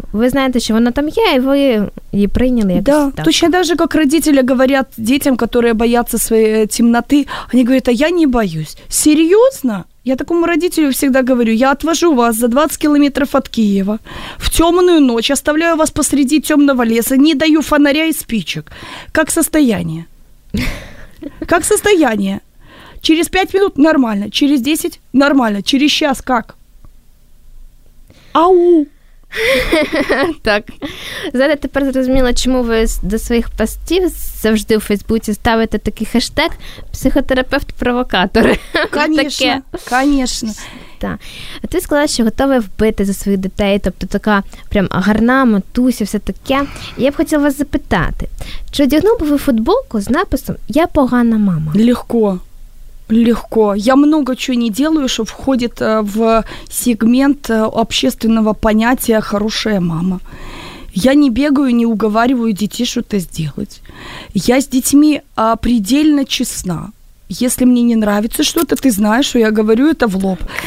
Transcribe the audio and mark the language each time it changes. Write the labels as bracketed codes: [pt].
[uk] Ви знаєте, що вона там є, і ви її прийняли якось так. [ru] Точно так же, [uk] як [ru] родители говорят [uk] дітям, які бояться своєї темноти, вони говорять, а я не боюсь. Серйозно? [ru] Я такому родителю всегда говорю, я отвожу вас за 20 километров от Киева в темную ночь, оставляю вас посреди темного леса, не даю фонаря и спичек. Как состояние? Как состояние? Через 5 минут – нормально, через 10 – нормально, через час – как? Ау! [uk] Так. Зараз тепер зрозуміла, чому ви до своїх постів завжди у Фейсбуці ставите такий хештег «психотерапевт-провокатор». Звісно. Так. Ти сказала, що готова вбити за своїх дітей, тобто така прям гарна матуся, все таке. Я б хотіла вас запитати, чи одягнув би ви футболку з написом «Я погана мама»? Легко. Легко. [ru] Я много чего не делаю, что входит в сегмент общественного понятия «хорошая мама». Я не бегаю, не уговариваю детей что-то сделать. Я с детьми предельно честна. Если мне не нравится что-то, ты знаешь, что я говорю это в лоб.